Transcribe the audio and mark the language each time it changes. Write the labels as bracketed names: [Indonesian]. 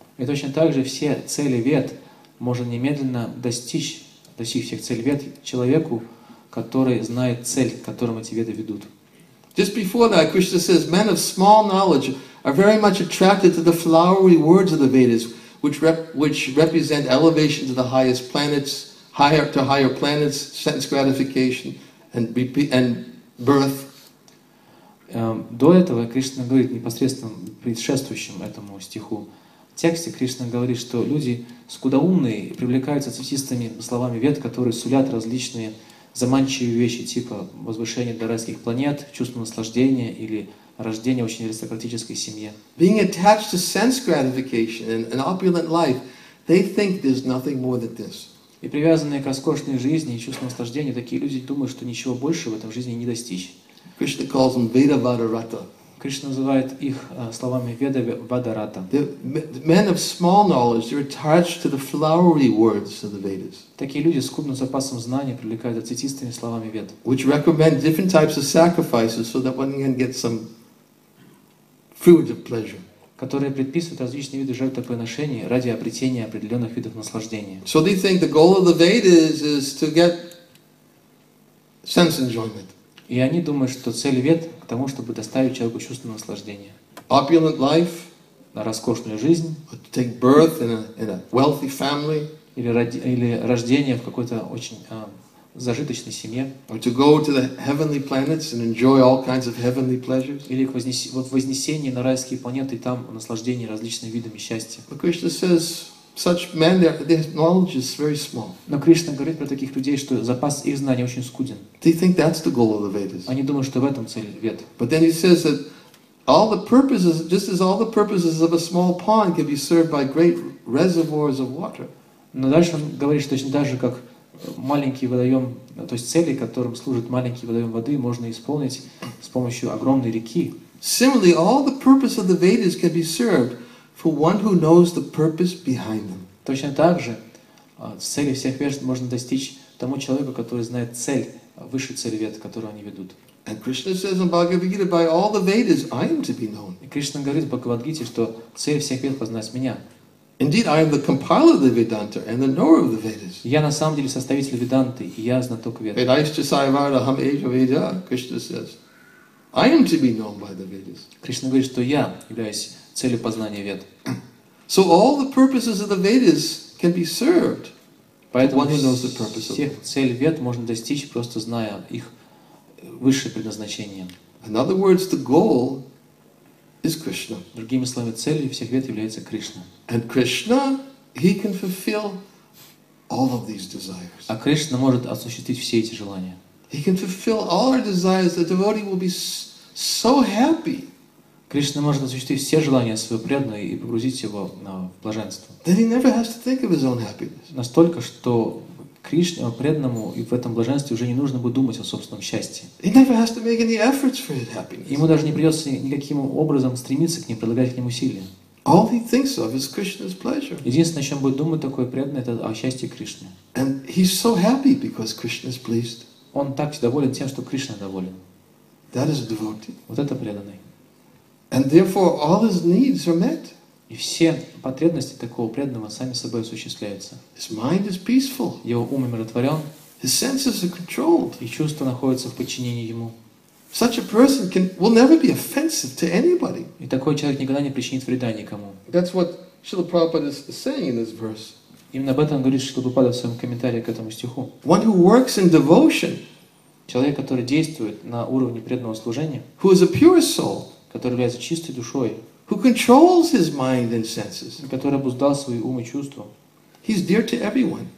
[Russian] И точно так же все цели Вед можно немедленно достичь всех целей Вед человеку, который знает цель, к которым эти Веды ведут. [English] Just before that, Krishna says, men of small knowledge are very much attracted to the flowery words of the Vedas, which represent elevation to the highest planets, higher to higher planets, sense gratification, and birth. [Russian] До этого Кришна говорит непосредственно предшествующим этому стиху в тексте, Кришна говорит, что люди скудоумные привлекаются цветистыми словами Вед, которые сулят различные заманчивые вещи, типа возвышения до райских планет, чувство наслаждения или рождение очень аристократической семьи. [English] Being attached to sense gratification and an opulent life, they think there's nothing more than this. [Russian] И привязанные к роскошной жизни и чувству наслаждения, такие люди думают, что ничего больше в этом жизни не достичь. [English] Krishna calls them Veda Vadarata. [Russian] Кришна называет их словами Ведами Вадарата. [English] Men of small knowledge, they're attached to the flowery words of the Vedas. [Russian] Такие люди с скудным запасом знаний привлекаются цветистыми словами Вед. [English] Which recommend different types of sacrifices so that one can get some fruit of pleasure. [Russian] Которые предписывают различные виды жертвоприношений ради обретения определенных видов наслаждения. [English] So they think the goal of the Vedas is to get sense enjoyment. [Russian] И они думают, что цель Вед к тому, чтобы доставить человеку чувство наслаждения. [English] Opulent life, [Russian] на роскошную жизнь. [English] To take birth in a wealthy family, [Russian] или рождение в какой-то очень зажиточной семье. [English] Or to go to the heavenly planets and enjoy all kinds of heavenly pleasures. [Russian] Или вознесение на райские планеты и там наслаждение различными видами счастья. [English] But Krishna says such men, their knowledge is very small. [Russian] Но Кришна говорит про таких людей, что запас их знаний очень скуден. [English] They think that's the goal of the Vedas. [Russian] Они думают, что в этом цель Вед. [English] But then he says that all the purposes, just as all the purposes of a small pond can be served by great reservoirs of water. [Russian] Но дальше он говорит, что точно так же, как маленький водоем, то есть цели, которым служит маленький водоем воды, можно исполнить с помощью огромной реки. [English] Similarly, all the purpose of the Vedas can be served for one who knows the purpose behind them. [Russian] Точно так же цели всех вежд можно достичь тому человеку, который знает цель, высшую цель вед, которую они ведут. [English] And Krishna says in Bhagavad Gita, by all the Vedas I am to be known. [Russian] И Кришна говорит в Бхагавад Гите, что цель всех вед познать меня. [English] Indeed, I am the compiler of the Vedanta and the knower of the Vedas. [Russian] Я на самом деле составитель Веданты, и я знаток Вед. [Sanskrit] Vedaischa saivara ham eva veda, [English] Krishna says. I am to be known by the Vedas. [Russian] Кришна говорит, что я являюсь целью познания Вед. [English] So all the purposes of the Vedas can be served. [Russian] Поэтому [English] one who knows the purpose of [Russian] всех целей Вед можно достичь, просто зная их высшее предназначение. [English] In other words, the goal is Krishna. [Russian] Другими словами, целью всех Вед является Кришна. [English] And Krishna, he can fulfill all of these desires. [Russian] А Кришна может осуществить все эти желания. [English] He can fulfill all our desires. The devotee will be so happy. [Russian] Кришна может осуществить все желания своего преданного и погрузить его в блаженство. [English] That he never has to think of his own happiness. [Russian] Настолько, что Кришне, преданному, и в этом блаженстве уже не нужно будет думать о собственном счастье. [English] He never has to make any efforts for his happiness. [Russian] Ему даже не придется никаким образом стремиться к ним, прилагать к ним усилия. [English] All he thinks of is Krishna's pleasure. [Russian] Единственное, о чем будет думать такой преданный, это о счастье Кришны. [English] And he's so happy because Krishna is pleased. [Russian] Он так доволен тем, что Кришна доволен. [English] That is a devotee. [Russian] Вот это преданный. [English] And therefore all his needs are met. [Russian] И все потребности такого преданного сами собой осуществляются. [English] His mind is peaceful. [Russian] Его ум умиротворен. [English] His senses are controlled. [Russian] И чувства находятся в подчинении ему. [English] Such a person will never be offensive to anybody. [Russian] И такой человек никогда не причинит вреда никому. [English] That's what Srila Prabhupada is saying in this verse. [Russian] Именно об этом говорит Шрила Прабхупада в своем комментарии к этому стиху. [English] One who works in devotion, [Russian] человек, который действует на уровне преданного служения, [English] who is a pure soul, [Russian] который является чистой душой, [English] who controls his mind and senses, [Russian] который обуздал свои ум и чувства, [English] he's dear to everyone.